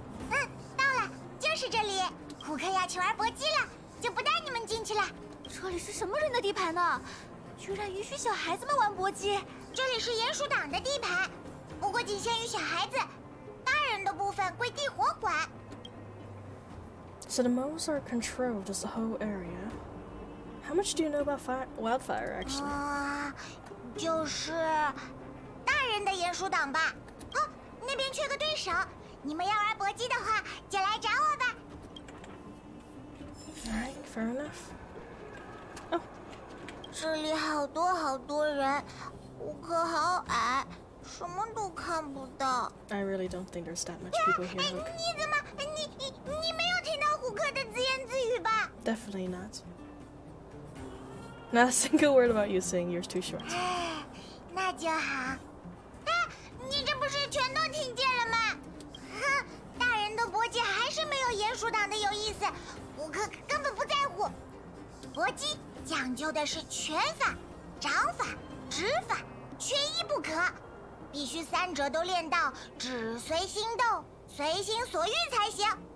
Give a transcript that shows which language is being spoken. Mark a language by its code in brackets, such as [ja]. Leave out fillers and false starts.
[zh] 到了，就是这里。虎克要去玩搏击了，就不带你们进去了。这里是什么人的地盘呢？居然允许小孩子们玩搏击？这里是鼹鼠党的地盘，不过仅限于小孩子，大人的部分归地火管。 [en] So the moles are controlled this whole area. How much do you know about wildfire, actually? [zh] 就是大人的鼹鼠党吧。哦，那边缺个对手，你们要玩搏击的话就来找我吧。 [en] Alright, fair enough. [zh] 这里好多好多人，我可好矮，什么都看不到。 [en] I really don't think there's that much people here. [zh] 你怎么你没有听到虎克的自言自语吧？ [en] Definitely not. Not a single word about you saying you're too short. [zh] 那就好。你这不是全都听见了吗？大人的搏击还是没有鼹鼠党的有意思，我可根本不在乎。搏击讲究的是拳法、掌法、指法，缺一不可，必须三者都练到只随心动、随心所欲才行。